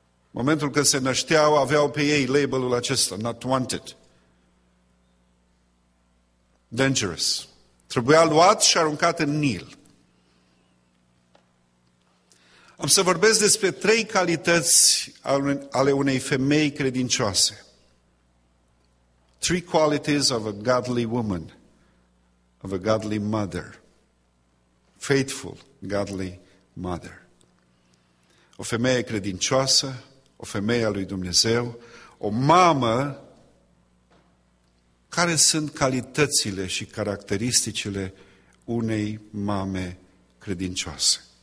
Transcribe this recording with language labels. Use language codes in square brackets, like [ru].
[ro] În momentul când se nășteau, aveau pe ei labelul acesta, [en] not wanted, dangerous. [ro] Trebuia luat și aruncat în Nil. Am să vorbesc despre trei calități ale unei femei credincioase. [en] Three qualities of a godly woman, of a godly mother. Faithful, godly mother. [ro] O femeie credincioasă, o femeie a lui Dumnezeu, o mamă. Care sunt calitățile și caracteristicile unei mame credincioase?